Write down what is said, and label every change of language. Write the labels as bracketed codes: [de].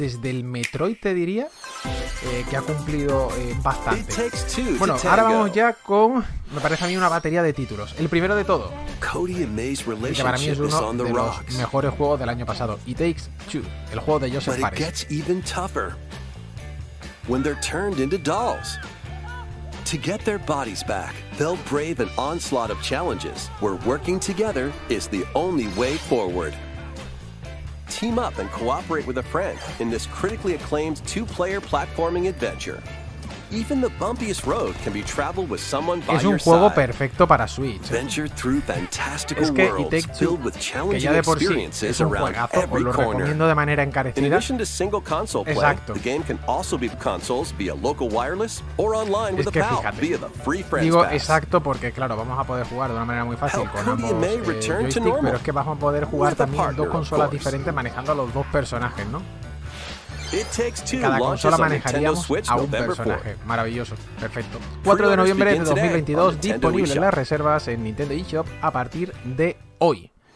[es] Desde el Metroid te diría que ha cumplido bastante. Bueno, ahora vamos ya con, me parece a mí, una batería de títulos. El primero de todo, y que para mí es uno de los mejores juegos del año pasado, It Takes Two, el juego de Joseph Fares. Pero se pone tougher cuando se convierten en dolls. [en] To get their bodies back, they'll brave an onslaught of challenges where working together is the only way forward. Team up and cooperate with a friend in this critically acclaimed two-player platforming adventure. Even the bumpiest road can be traveled with someone by your side. [es] Es un juego perfecto para Switch. [en] Venture through fantastical worlds filled with challenging experiences around every corner. In addition to single console play, the game can also be consoles via local wireless or online with a pal via the free friends pass. [es] Digo exacto porque claro, vamos a poder jugar de una manera muy fácil con ambos joysticks, pero es que vamos a poder jugar también dos consolas diferentes manejando a los dos personajes, ¿no? It Takes Two. Cada consola manejaríamos Switch, a un personaje. Maravilloso, perfecto. 4 de noviembre de 2022, disponible en las reservas en Nintendo eShop a partir de hoy.